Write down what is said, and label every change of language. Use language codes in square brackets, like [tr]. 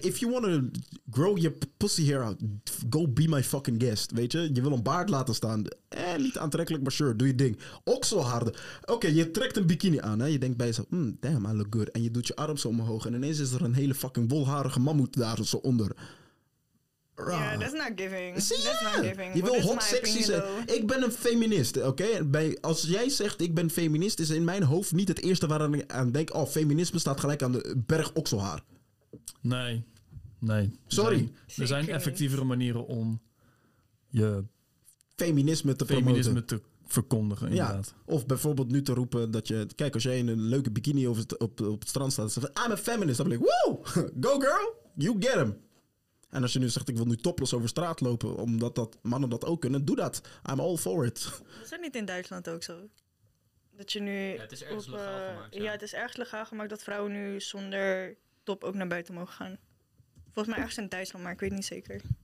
[en] If you want to grow your pussy hair out, go be my fucking guest. [nl] Weet je? Je wil een baard laten staan. Niet aantrekkelijk, maar sure. Doe je ding. Okselharden. Oké, je trekt een bikini aan. Hè? Je denkt bij jezelf, damn, [en] I look good. [nl] En je doet je arm zo omhoog. En ineens is er een hele fucking wolharige mammoet daar zo onder. [en] Ja, yeah, that's not giving. See, that's not giving. [nl] Je wil hot sexy zijn. Ik ben een feminist, oké? Okay? Als jij zegt ik ben feminist, is in mijn hoofd niet het eerste waar ik aan denk. Oh, feminisme staat gelijk aan de berg okselhaar. Nee. Sorry. Er zijn effectievere manieren om je feminisme te verkondigen, inderdaad. Ja, of bijvoorbeeld nu te roepen dat je... Kijk, als jij in een leuke bikini op het strand staat, zegt [en] I'm a feminist. [nl] Dan ben ik, [en] woo, go girl, you get him. [nl] En als je nu zegt, ik wil nu topless over straat lopen, omdat dat mannen dat ook kunnen, doe dat. [en] I'm all for it. [nl] Is dat niet in Duitsland ook zo? Dat je nu... Ja, het is ergens legaal gemaakt. Ja, het is ergens legaal gemaakt dat vrouwen nu zonder top ook naar buiten mogen gaan. Volgens mij ergens in Duitsland, maar ik weet niet zeker.